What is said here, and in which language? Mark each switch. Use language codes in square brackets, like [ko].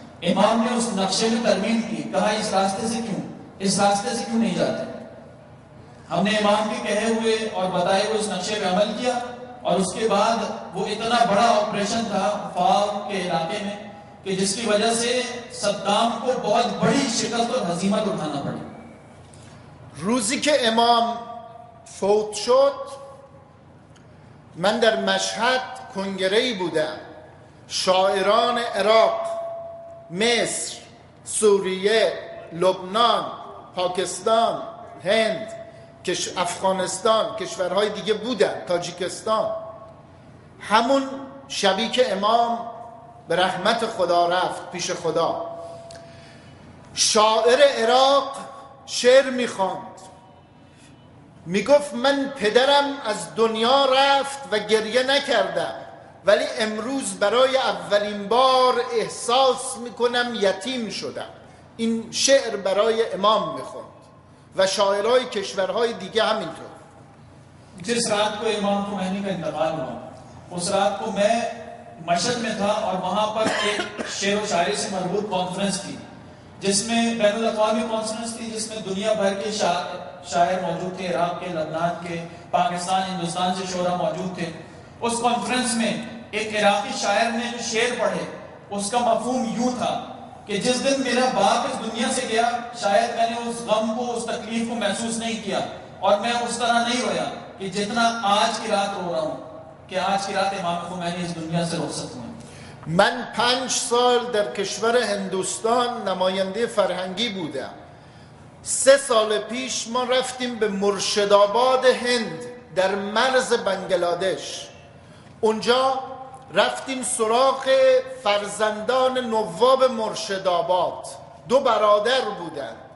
[ur] امام نے اس نقشے میں ترمیم کی، کہا اس راستے سے کیوں، اس راستے سے کیوں نہیں جاتے. ہم نے امام کے کہے ہوئے اور بتائے ہوئے اس نقشے پہ عمل کیا، اور اس کے بعد وہ اتنا بڑا آپریشن تھا فاو کے علاقے میں کہ جس کی وجہ سے صدام کو بہت بڑی شکست اور ہزیمت اٹھانا پڑی. [fa] روزی که امام فوت شد من در مشهد کنگره‌ای بودم، شاعران عراق، مصر، سوریه، لبنان، پاکستان، هند، افغانستان، کشورهای دیگه بودن، تاجیکستان، همون شبی که امام به رحمت خدا رفت پیش خدا، شاعر عراق شعر میخواند، میگفت من پدرم از دنیا رفت و گریه نکردم، ولی امروز برای اولین بار احساس میکنم یتیم شدم. این شعر برای امام میخوند و شاعرهای کشورهای دیگه همینطور. [ur] جس رات کو امام خمینی کا انتقال ہوا اس رات کو میں مشہد میں تھا اور وہاں پر ایک شعر و شاعری سے مربوط کانفرنس تھی جس میں بین الاقوامی کانفرنس تھی جس میں دنیا بھر کے شاعر موجود تھے، عراق کے، لبنان کے، پاکستان، ہندوستان سے شعرا موجود تھے. اس کانفرنس میں ایک عراقی شاعر نے جو شعر پڑھے اس کا مفہوم یوں تھا کہ جس دن میرا باپ اس دنیا سے گیا شاید میں نے اس غم کو، اس تکلیف کو محسوس نہیں کیا اور میں اس طرح نہیں رویا کہ جتنا آج کی رات رو رہا ہوں کہ آج کی رات امام خمینی اس دنیا سے رخصت ہوئے. [fa] من 5 سال در کشور ہندوستان نماینده فرهنگی بودم. 3 سال پیش ما رفتیم به مرشدآباد هند در مرز بنگلادش. اونجا رفتیم سراغ فرزندان نواب مرشدآباد، 2 برادر بودن.